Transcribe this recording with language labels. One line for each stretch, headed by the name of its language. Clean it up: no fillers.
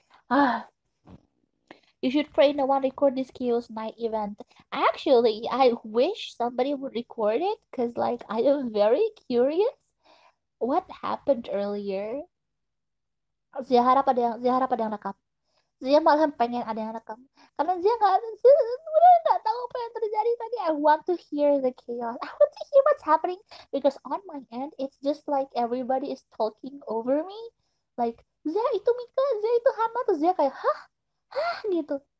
English: Ah. You should pray no one record this chaos night event. Actually, I wish somebody would record it because, like, I am very curious what happened earlier.
Indonesian: Zia harap ada yang rekam. Zia malah pengen ada yang rekam. Karena Zia nggak tahu apa yang terjadi tadi.
English: I want to hear the chaos. I want to hear what's happening because on my end, it's just like everybody is talking over me.
Indonesian: Like, Zia itu Mika, Zia itu Hama, terus Zia kayak, hah? Hah, gitu.